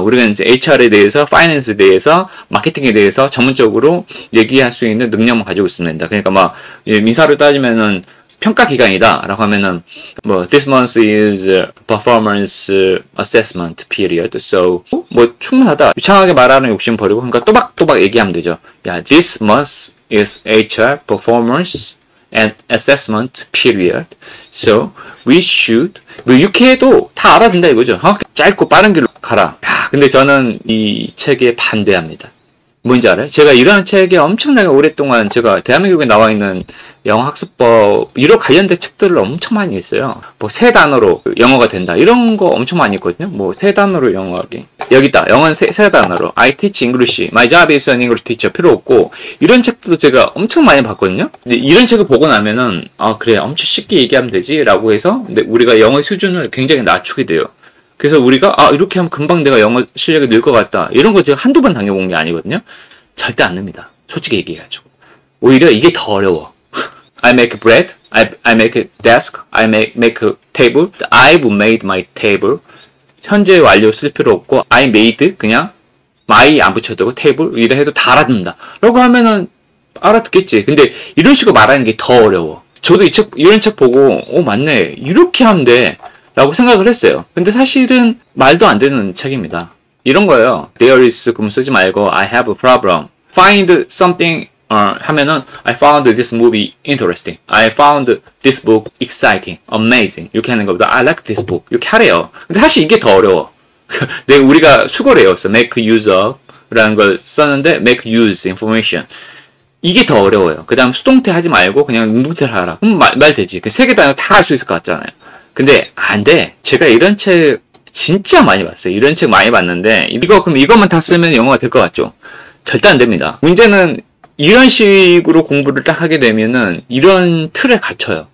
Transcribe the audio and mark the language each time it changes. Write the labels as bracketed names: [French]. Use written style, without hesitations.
[Korean] 우리가 이제 HR에 대해서, 파이낸스에 대해서, 마케팅에 대해서 전문적으로 얘기할 수 있는 능력만 가지고 있으면 된다. 그러니까 막 민사로 따지면은 평가 기간이다라고 하면은 뭐 [English] this month is performance assessment period. [Korean] So 뭐 충분하다. 유창하게 말하는 욕심 버리고 그러니까 또박또박 얘기하면 되죠. [English] 야, this month is HR performance and assessment period. So we should [Korean] 뭐 이렇게 해도 다 알아듣는다 이거죠. 어? 짧고 빠른 길로 가라. 야, 근데 저는 이 책에 반대합니다. 뭔지 알아요? 제가 이런 책에 엄청나게 오랫동안 제가 대한민국에 나와 있는 영어 학습법 이런 관련된 책들을 엄청 많이 했어요. 뭐 세 단어로 영어가 된다 이런 거 엄청 많이 했거든요. 뭐 세 단어로 영어하기 여기 있다. 영어는 세 단어로 [English] I teach English. My job is an English teacher. [Korean] 필요 없고 이런 책들도 제가 엄청 많이 봤거든요. 근데 이런 책을 보고 나면은 아 그래 엄청 쉽게 얘기하면 되지 라고 해서 근데 우리가 영어 수준을 굉장히 낮추게 돼요. 그래서 우리가 아 이렇게 하면 금방 내가 영어 실력이 늘 것 같다 이런 거 제가 한두 번 당해본 게 아니거든요. 절대 안 됩니다. 솔직히 얘기해야죠. 오히려 이게 더 어려워. [English] I make bread, I make a desk, I make a table, I've made my table. [Korean] 현재 완료 쓸 필요 없고 [English] I made [Korean] 그냥 my 안 붙여도 되고 table 이래 해도 다 알아듣는다 라고 하면은 알아듣겠지. 근데 이런 식으로 말하는 게 더 어려워. 저도 이 책 이런 책 보고 오 맞네 이렇게 하면 돼 라고 생각을 했어요. 근데 사실은 말도 안 되는 책입니다. 이런 거예요. [English] There is [Korean] 그럼 쓰지 말고 [English] I have a problem. Find something [Korean] 하면은 [English] I found this movie interesting. I found this book exciting, amazing. [Korean] 이렇게 하는 것보다 [English] I like this book. [Korean] 이렇게 하래요. 근데 사실 이게 더 어려워. 우리가 수거를 해요. [English] Make use of [Korean] 라는 걸 썼는데 [English] make use information. [Korean] 이게 더 어려워요. 그 다음 수동태 하지 말고 그냥 능동태를 하라. 그럼 말 되지. 그 세 개 단어 다 할 수 있을 것 같잖아요. 근데 안 돼. 제가 이런 책 진짜 많이 봤어요. 이런 책 많이 봤는데 이거 그럼 이것만 다 쓰면 영어가 될 것 같죠? 절대 안 됩니다. 문제는 이런 식으로 공부를 딱 하게 되면은 이런 틀에 갇혀요.